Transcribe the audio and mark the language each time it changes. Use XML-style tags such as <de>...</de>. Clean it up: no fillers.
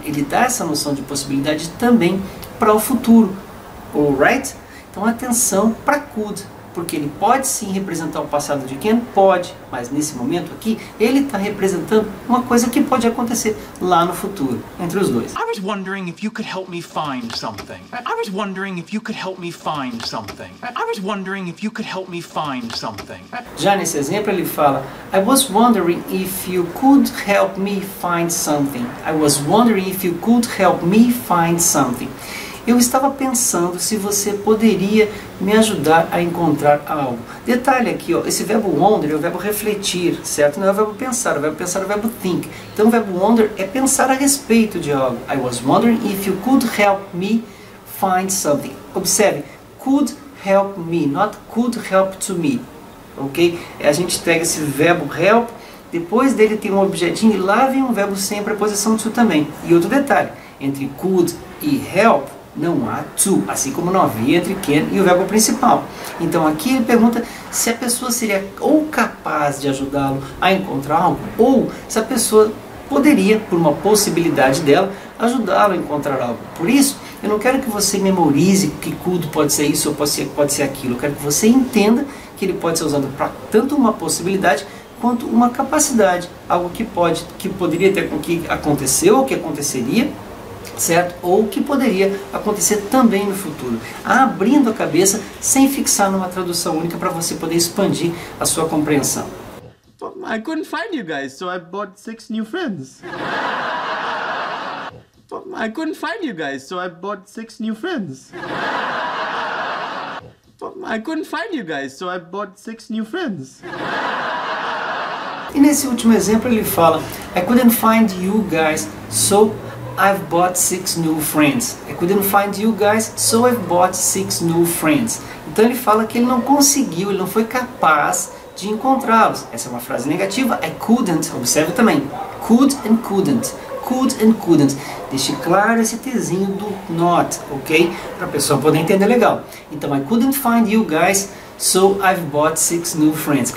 <pt>Ele dá essa noção de possibilidade também para o futuro. Alright? Então atenção para could, porque ele pode sim representar o passado de can? Pode, mas nesse momento aqui, ele está representando uma coisa que pode acontecer lá no futuro, entre os dois.</pt> <en>I was wondering if you could help me find something. I was wondering if you could help me find something. I was wondering if you could help me find something. Já nesse exemplo ele fala, I was wondering if you could help me find something. I was wondering if you could help me find something.</en> <pt>Eu estava pensando se você poderia me ajudar a encontrar algo. Detalhe aqui, ó, esse verbo wonder é o verbo refletir, certo? Não é o verbo pensar, é o verbo pensar é o verbo think. Então o verbo wonder é pensar a respeito de algo.</pt> <en>I was wondering if you could help me find something. Observe, could help me, not could help to me. Ok?</en> <pt>A gente pega esse verbo help, depois dele tem um objetinho e lá vem um verbo sem a preposição to também. E outro detalhe, entre could e help, não há to, assim como não havia entre can e o verbo principal. Então aqui ele pergunta se a pessoa seria ou capaz de ajudá-lo a encontrar algo, ou se a pessoa poderia, por uma possibilidade dela, ajudá-lo a encontrar algo. Por isso, eu não quero que você memorize que could pode ser isso ou pode ser aquilo. Eu quero que você entenda que ele pode ser usado para tanto uma possibilidade quanto uma capacidade, algo que poderia ter com que aconteceu ou que aconteceria, certo? Ou que poderia acontecer também no futuro, abrindo a cabeça sem fixar numa tradução única para você poder expandir a sua compreensão.</pt> <en>But I couldn't find you guys, so I bought 6 new friends. But I couldn't find you guys, so I bought 6 new friends. But I couldn't find you guys, so I bought 6 new friends.</en> <pt>E nesse último exemplo ele fala,</pt> <en>I couldn't find you guys, so I've bought 6 new friends. I couldn't find you guys, so I've bought 6 new friends.</en> <pt>Então ele fala que ele não conseguiu, ele não foi capaz de encontrá-los. Essa é uma frase negativa.</pt> <en>I couldn't,</en> <pt>observe também.</pt> <en>Could and couldn't. Could and couldn't.</en> <pt>Deixe claro esse tezinho do not, ok? Para a pessoa poder entender legal.</pt> <en>Então, I couldn't find you guys, so I've bought 6 new friends.</en>